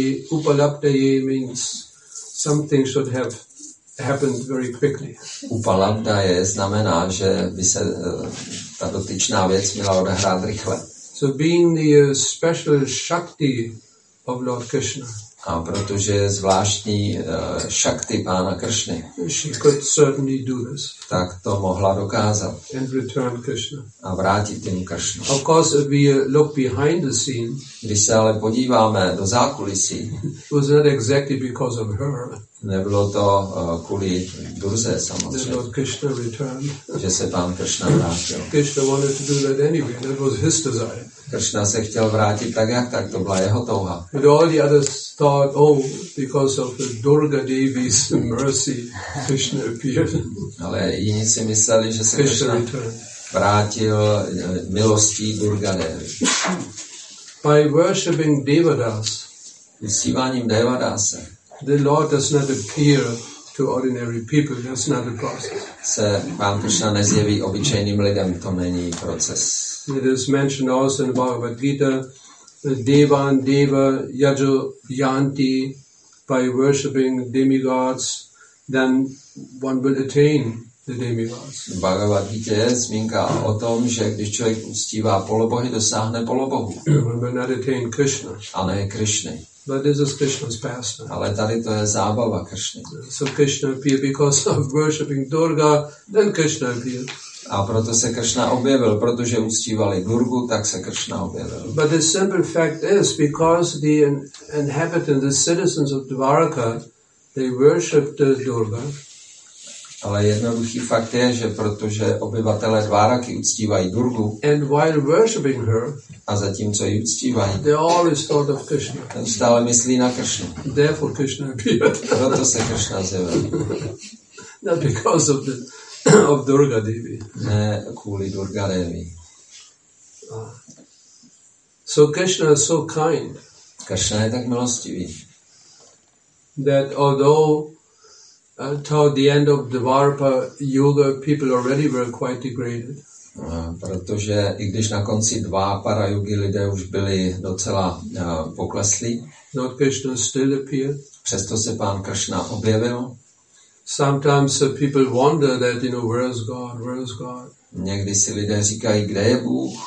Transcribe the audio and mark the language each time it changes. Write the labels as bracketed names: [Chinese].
[English] Upalaptaye means something should have happened very quickly. [Czech] Upalabdha je znamená, že by se ta dotyčná věc měla odehrát rychle. [English] So being the special shakti of Lord Krishna. [Czech] A protože je zvláštní shakti pána Kršny. [English] She could certainly do this. [Czech] Tak to mohla dokázat. [English] And return Krishna. [Czech] A vrátit jim Kršnu. [English] Of course, if we look behind the scene. [Czech] Když se ale podíváme do zákulisí. [English] It was not exactly because of her. [Czech] Nebylo to kvůli Durze samozřejmě. [English] That Lord Krishna returned. [Czech] Že se pán Kršna vrátil. [English] Krishna wanted to do that anyway. That was his desire. [Czech] Krishna se chtěl vrátit tak jak tak, to byla jeho touha. [English] And all the others thought, oh, because of the Durga Devi's mercy, Krishna appeared. [Czech] Ale jiní si mysleli, že se Krishna vrátil milostí Durga Devi. [English] By worshipping Devadas, [Czech] uctíváním Devadase, [English] the Lord does not appear to ordinary people. That's not the process. [Czech] Se pán Krishna nezjeví obyčejným lidem, to není proces. [English] It is mentioned also in the Bhagavad Gita, Devan, Deva, Yajo, Yanti, by worshipping demigods, then one will attain the demigods. [Czech] V Bhagavad Gita je zmínka o tom, že když člověk uctívá polobohy, dosáhne polobohu. [English] One will not attain Krishna. [Czech] A ne Krishna. [English] But this is Krishna's pastime. [Czech] Ale tady to je zábava Krishna. [English] So Krishna appeared because of worshipping Durga, then Krishna appeared. [Czech] A proto se Krishna objevil, protože uctívali Durgu, tak se Krishna objevil. [English] But the simple fact is, because the inhabitants, the citizens of Dvaraka, they worshipped Durga. [Czech] Ale jednoduchý fakt je, že protože obyvatelé Dváraky uctívají Durgu, [English] and while worshipping her, [Czech] a zatímco ji uctívají, [English] they always thought of Krishna. [Czech] Ten stále myslí na Krishnu. [English] Therefore Krishna appeared. [Czech] Proto se Krishna zjevil. [English] Not because of the of Durga Devi. [Czech] Ne, kvůli Durga Devi. [English] So Krishna is so kind. [Czech] Krishna je tak milostivý. [English] That although toward the end of the Dvarpa Yuga, people already were quite degraded. [Czech] Protože i když na konci Dvapara Yugi lidé už byli docela pokleslí. [English] Not Krishna still appeared. [Czech] Přesto se pán Krishna objevil. [English] Sometimes people wonder that, you know, where is God? Where is God? [Czech] Někdy si lidé říkají, kde je Bůh?